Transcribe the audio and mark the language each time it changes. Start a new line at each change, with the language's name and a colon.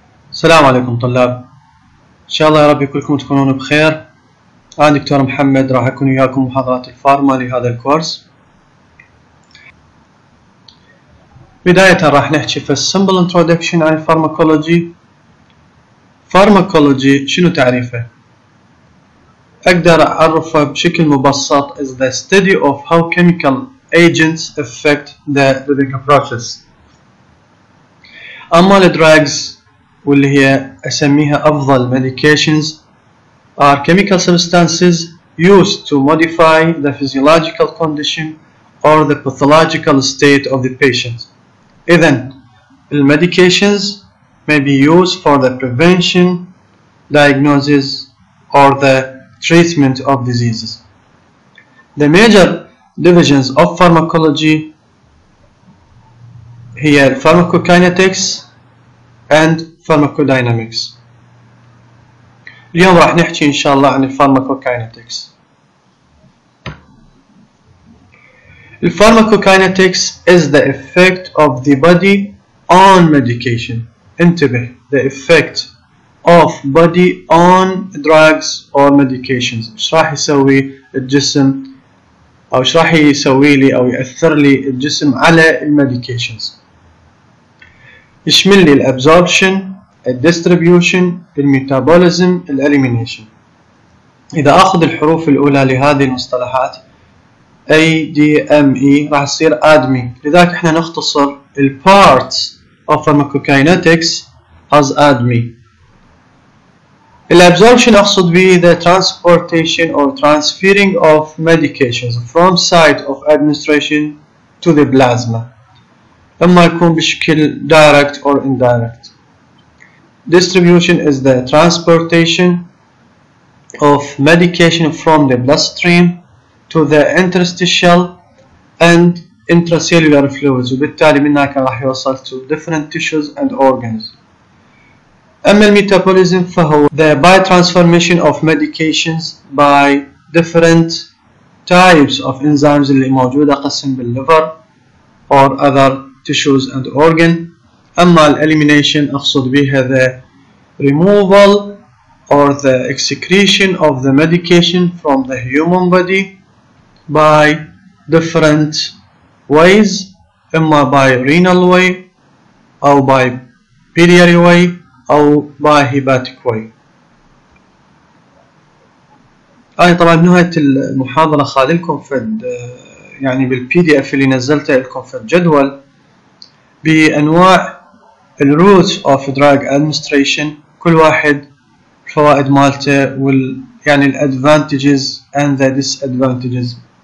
Arabic: السلام عليكم طلاب، إن شاء الله يا رب كلكم تكونون بخير. أنا دكتور محمد راح أكون وياكم محاضرات الفارما لهذا الكورس. بداية راح نحكي في simple introduction عن الفارماكولوجي. فارماكولوجي شنو تعريفه؟ أقدر أعرفه بشكل مبسط
English: is the study of how chemical agents affect the living process.
Arabic: أما الدراجز واللي هي أسميها أفضل
English: medications are chemical substances used to modify the physiological condition or the pathological state of the patient.
Arabic: إذن الـ
English: medications may be used for the prevention, diagnosis or the treatment of diseases. The major divisions of pharmacology هي pharmacokinetics and pharmacodynamics.
Arabic: اليوم راح نحكي ان شاء الله عن الفارماكوكاينتكس.
English: الفارماكوكاينتكس is the effect of the body on medication. انتبه, the effect of body on drugs or medications.
Arabic: ايش راح يسوي الجسم او ايش راح يسوي لي او ياثر لي الجسم على المديكيشنز. يشمل لي الابزوربشن, الديستريبيوشن, الميتابوليزم, الاليمينيشن. اذا اخذ الحروف الاولى لهذه المصطلحات ADME راح يصير ادمي. لذلك احنا نختصر
English: البارتس of pharmacokinetics is
Arabic: ادمي. الابزوربشن اقصد به
English: the transportation or transferring of medications from site of administration to the plasma,
Arabic: اما يكون بشكل
English: Direct or indirect. Distribution is the transportation of medication from the bloodstream to the interstitial and intracellular fluids,
Arabic: وبالتالي من هناك راح يوصل
English: to different tissues and organs.
Arabic: أما الميتابوليزم فهو
English: the biotransformation of medications by different types of enzymes
Arabic: اللي موجودة قسم بالليفر
English: or other tissues and organ.
Arabic: أما الإليمينيشن أقصد بها
English: the removal or the excretion of the medication from the human body by different ways, اما by renal way او by biliary way او by hepatic way.
Arabic: انا طبعا نهاية المحاضرة خاليلكم في يعني بالبي دي اف اللي نزلته لكم في الجدول بانواع
English: الروتس of drug administration,
Arabic: كل واحد فوائد مالته وال يعني
English: الادفانتجز and the disadvantages.